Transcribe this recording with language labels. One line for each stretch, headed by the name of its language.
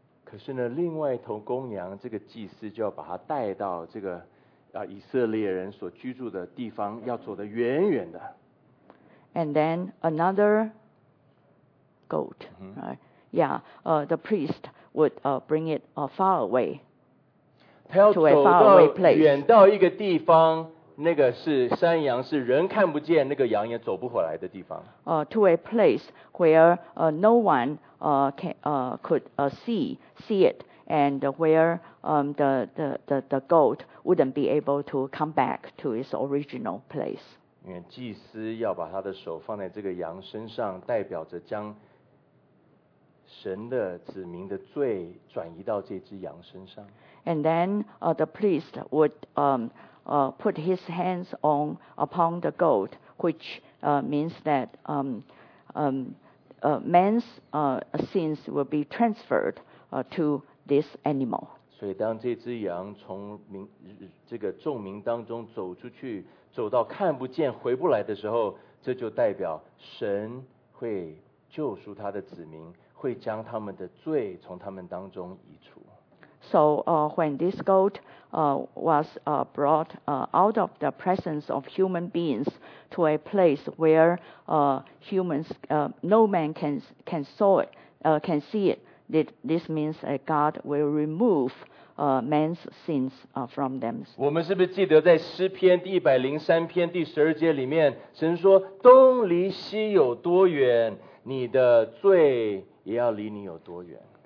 Chinese: 可是呢，另外一头公羊，这个祭司就要把它带到这个以色列人所居住的地方，要走得远远的。
English: And then another goat, right? Yeah, the priest would bring it far away.
Chinese: 他要走到远到一个地方，那个是山羊，是人看不见，那个羊也走不回来的地方。
English: To a place where no one could see it, and where the goat wouldn't be able to come back to its original place.
Chinese: 因为祭司要把他的手放在这个羊身上，代表着将神的子民的罪转移到这只羊身上。
English: And then the priest would put his hands upon the goat, which means that man's sins will be transferred to this animal.
Chinese: 所以当这只羊从这个众民当中走出去，走到看不见回不来的时候，这就代表神会救赎他的子民，会将他们的罪从他们当中移除。
English: So when this goat was brought out of the presence of human beings to a place where no man can see it, this means that God will remove man's sins from them.
Chinese: 我们是不是记得在诗篇第103篇第十二节里面，神说东离西有多远，你的罪也要离你有多远。